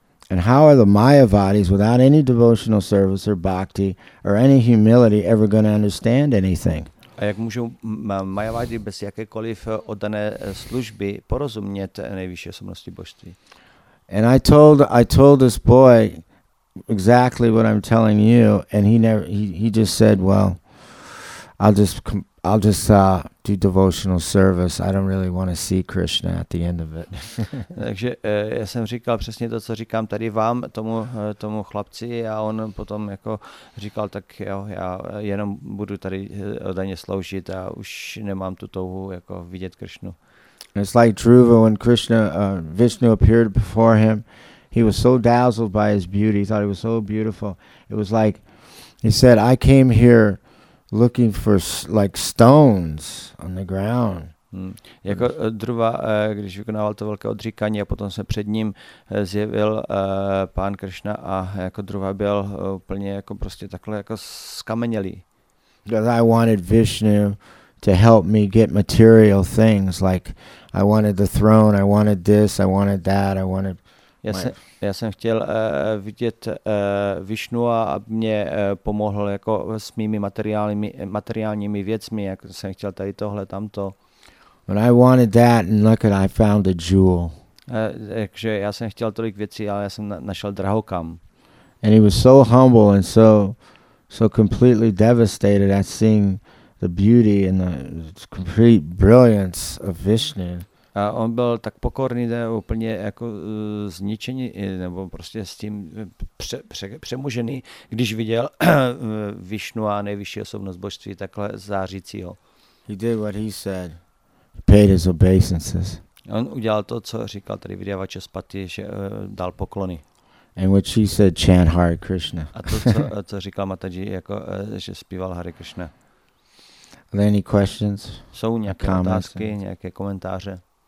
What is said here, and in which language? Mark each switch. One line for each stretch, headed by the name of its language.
English: And how are the Mayavadis without any devotional service or bhakti or any humility ever going to understand anything?
Czech: A jak můžou Mayavadi bez jakékoliv oddané služby porozumět nejvyšší osobnosti božství?
English: And I told this boy exactly what I'm telling you, and he just said, well, I'll just do devotional service. I don't really want to see Krishna at the end of it.
Czech: Takže já jsem říkal přesně to, co říkám tady vám, tomu chlapci, a on potom jako říkal, tak jo, já jenom budu tady oddaně sloužit a už nemám tu touhu jako vidět Krishnu.
English: It's like Dhruva, when Krishna, Vishnu appeared before him, he was so dazzled by his beauty, he thought he was so beautiful. It was like, he said, I came here looking for like stones on the ground.
Czech: Jako Dhruva, když vykonával to velké odříkání a potom se před ním zjevil pán Krishna a jako Dhruva byl úplně jako prostě takhle jako skamenělý.
English: Because I wanted Vishnu to help me get material things, like I wanted the throne, I wanted this, I wanted that, I wanted
Czech: já jsem chtěl vidět Vishnu a aby mě pomohl jako s mými materiálními věcmi, jako jsem chtěl tady tohle, tamto.
English: But I wanted that, and look at, I found a jewel.
Czech: Takže já jsem chtěl tolik věcí, ale já jsem našel drahokam.
English: And he was so humble and so completely devastated at seeing the beauty and the complete brilliance of Vishnu.
Czech: A on byl tak pokorný, ne, úplně jako zničený, nebo prostě s tím přemožený, když viděl Vishnu a nejvyšší osobnost božství takhle zářícího.
English: He did what he said. He paid his obeisances.
Czech: On udělal to, co říkal tady Vidyavača Spati, že dal poklony.
English: And what she said, chant Hare Krishna.
Czech: A to, co říkal Mataji, jako, že zpíval Hare Krishna.
English: Are there any questions?
Czech: Jsou nějaké otázky, nějaké komentáře?